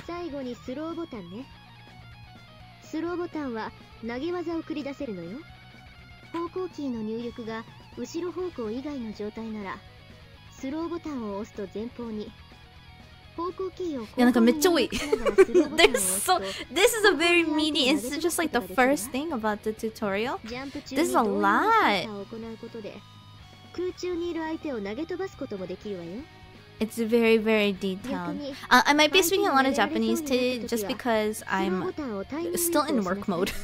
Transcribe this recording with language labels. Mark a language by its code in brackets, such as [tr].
[ja] 最後にスローボタンね。スローボタンは投げ技を繰り出せるのよ。方向キーの入力が後ろ方向以外の状態ならスローボタンを押すと前方に、方向キーを後方に入力しながらスローボタンを押すと、 [en] This is a very meaty. It's just like the first thing about the tutorial. [ja] ジャンプ中に同様の操作を行うことで空中にいる相手を投げ飛ばすこともできるわよ。 [en] It's very, very detailed. I might be speaking a lot of Japanese today just because I'm still in work mode.